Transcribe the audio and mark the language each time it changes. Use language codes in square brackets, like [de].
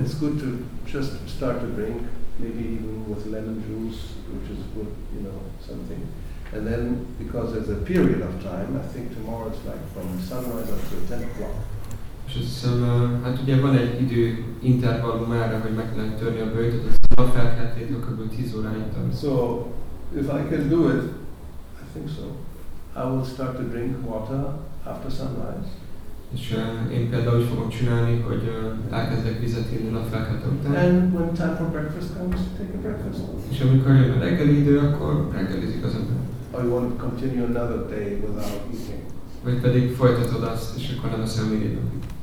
[en] It's good to just start to drink, maybe even with lemon juice, which is good, you know, something. And then, because there's a period of time, I think tomorrow it's like from sunrise up to 10 o'clock. [hu] És azt hiszem, hát ugye van egy idő intervallum erre, hogy meg lehet törni a bőjtöt, az nap felkeltétől kb. 10 óráig tart. [en] So, if I can do it, I think so. I will start to drink water after sunrise. [hu] És én például úgy fogom csinálni, hogy elkezdek vizet inni a felkelte után. [en] And when time for breakfast comes, take a breakfast. [hu] És amikor jön a reggeli idő, akkor reggelizik az ember. [en] Or you want to continue another day without eating. [hu] Vagy pedig folytatod azt, és akkor nem eszel még egy napig.